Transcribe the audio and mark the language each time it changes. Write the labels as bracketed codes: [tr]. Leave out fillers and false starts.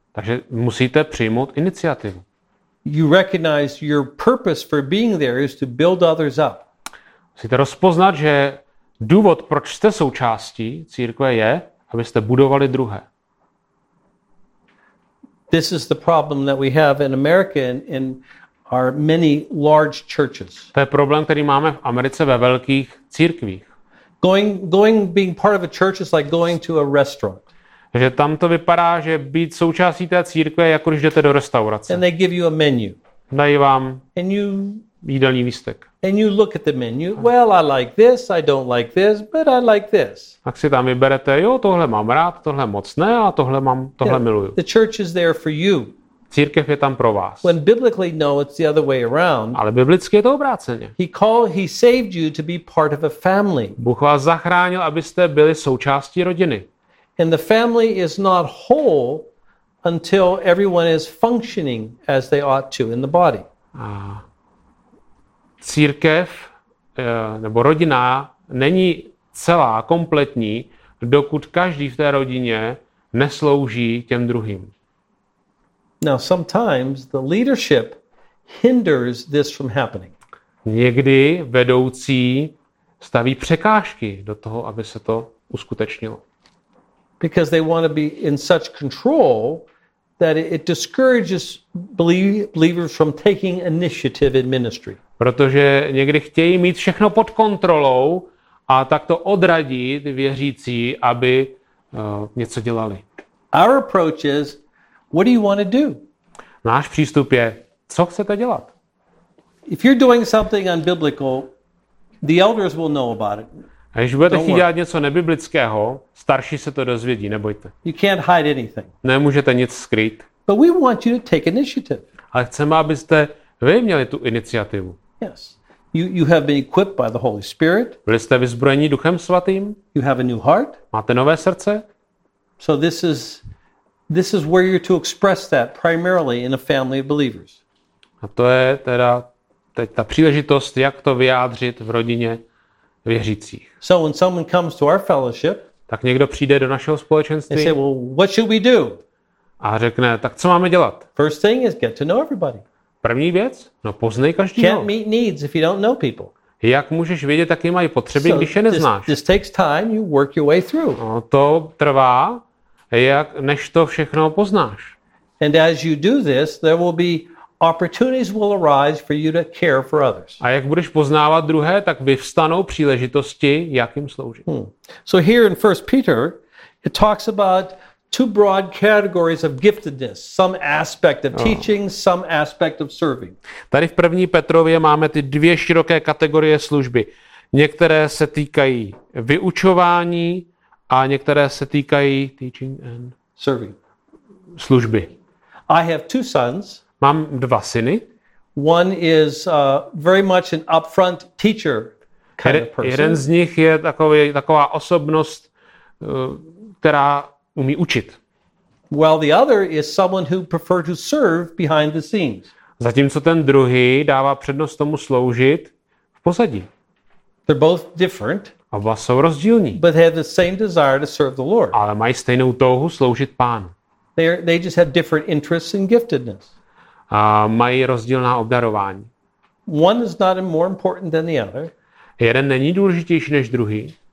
[cs] Takže musíte přijmout iniciativu. [en] You recognize your purpose for being there is to build others up. [cs] Musíte rozpoznat, že důvod, proč jste součástí církve, je, abyste budovali druhé. [en] This is the problem that we have in America and in our many large churches. [cs] To je problém, který máme v Americe ve velkých církvích. [en] Going being part of a church is like going to a restaurant. [cs] Že tam to vypadá, že být součástí té církve je jako když jdete do restaurace. [en] And they give you a menu. [cs] Dají vám jídelní lístek. [en] And you look at the menu. Well, I like this, I don't like this, but I like this. [cs] Tak si tam vyberete, jo, tohle mám rád, tohle moc ne, a tohle yeah, miluju. [en] The church is there for you. [cs] Církev je tam pro vás. [en] When biblically no, it's the other way around. [cs] Ale biblicky je to obráceně. [en] He saved you to be part of a family. [cs] Bůh vás zachránil, abyste byli součástí rodiny. [en] And the family is not whole until everyone is functioning as they ought to in the body. [cs] A církev nebo rodina není celá, kompletní, dokud každý v té rodině neslouží těm druhým. [en] Now sometimes the leadership hinders this from happening. [cs] Někdy vedoucí staví překážky do toho, aby se to uskutečnilo. [en] Because they want to be in such control that it discourages believers from taking initiative in ministry. [cs] Protože někdy chtějí mít všechno pod kontrolou a tak to odradí ty věřící, aby něco dělali. [en] Our approach is, what do you want to do? [cs] Náš přístup je, co chcete dělat? [en] If you're doing something unbiblical, the elders will know about it. [cs] A když budete chtít dělat něco nebiblického, starší se to dozvědí, nebojte. [en] You can't hide anything. [cs] Nemůžete nic skrýt. [en] But we want you to take initiative. [cs] Ale chceme, abyste vy měli tu iniciativu. [en] Yes. You have been equipped by the Holy Spirit. [cs] Byli jste vyzbrojeni Duchem Svatým. [en] You have a new heart. [cs] Máte nové srdce. [en] So this is where you're to express that primarily in a family of believers. [cs] A to je teda teď ta příležitost, jak to vyjádřit v rodině věřících. [en] So when someone comes to our fellowship, [cs] tak někdo přijde do našeho společenství. [en] They say, well, what should we do? [cs] A řekne, tak co máme dělat? [en] First thing is get to know everybody. [cs] První věc? No poznej každýho. [en] Can't meet needs if you don't know people. [cs] Jak můžeš vědět, jaký mají potřeby, so když je neznáš? [en] This takes time, you work your way through. [cs] No, to trvá, než to všechno poznáš. [en] And as you do this, there will be opportunities will arise for you to care for others. [cs] A jak budeš poznávat druhé, tak vyvstanou příležitosti, jak jim sloužit. [en] So here in 1 Peter, it talks about two broad categories of giftedness, some aspect of teaching, some aspect of serving. [cs] Tady v 1. Petrově máme ty dvě široké kategorie služby. Některé se týkají vyučování a některé se týkají [en] teaching and serving. [cs] Služby. [en] I have two sons. [cs] Mám dva syny. [en] One is very much an upfront teacher kind of person. [cs] Jeden z nich je taková osobnost, která umí učit. [en] Well, the other is someone who prefers to serve behind the scenes. [cs] Zatímco ten druhý dává přednost tomu sloužit v pozadí. [en] They're both different. [cs] Oba jsou rozdílní. [en] But they have the same desire to serve the Lord. [cs] Ale mají stejnou touhu sloužit Pánu. [en] They just have different interests and giftedness. [cs] A mají rozdílná obdarování. [en] One is not more important than the other. [cs] Jeden není důležitější než druhý.